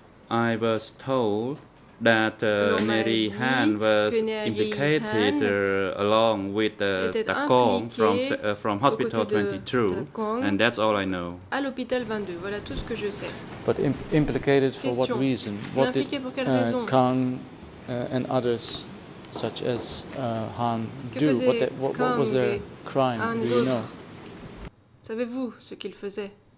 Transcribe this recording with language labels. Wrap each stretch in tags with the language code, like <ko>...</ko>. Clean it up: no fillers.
<en>I was told that Neri Han was implicated along with Takong from Hospital 22, and that's all I know.</en> <fr>À l'hôpital 22, voilà tout ce que je sais.</fr> <en>But implicated</en> <fr>question.</fr> <en>For what reason? What did Kang and others, such as Han,</en> <fr>que</fr> <en>do? What was their crime? Han do you know?</en> <fr>Savez-vous ce qu'ils faisaient?</fr>